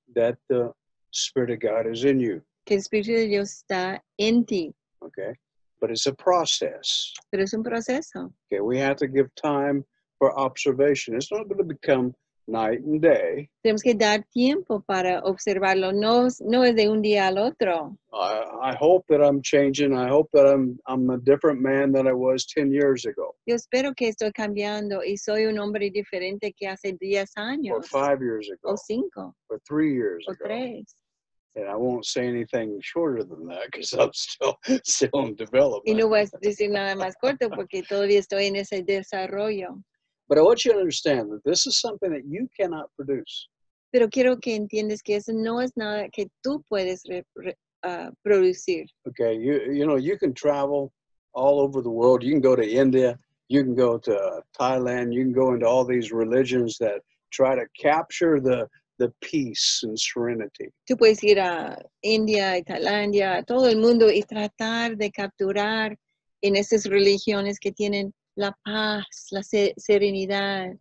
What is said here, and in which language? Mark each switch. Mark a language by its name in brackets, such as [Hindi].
[English] That the Spirit of God is in you. [Spanish] Que el Espíritu de Dios está en ti. [English] Okay. But it's a process. [Spanish] Pero es un proceso. [English] Okay, we have to give time for observation. It's not going to become night and day. [Spanish] Tenemos que dar tiempo para observarlo. No es de un día al otro. [English] I hope that I'm changing. I hope that I'm a different man than I was 10 years ago. [Spanish] Yo espero que estoy cambiando y soy un hombre diferente que hace 10 años. [English] Or 5 years ago. [Spanish] O 5. [English] Or 3 years o ago. [Spanish] O 3. [English] And I won't say anything shorter than that because I'm still in development. [Spanish] Y no voy a decir nada más corto porque todavía estoy en ese desarrollo. [English] But I want you to understand that this is something that you cannot produce. [Spanish] Pero quiero que entiendas que eso no es nada que tú puedes producir. [English] Okay, you can travel all over the world. You can go to India. You can go to Thailand. You can go into all these religions that try to capture the peace and serenity. [Spanish] Tú puedes ir a India, a Tailandia, a todo el mundo y tratar de capturar en esas religiones que tienen la paz, la serenidad.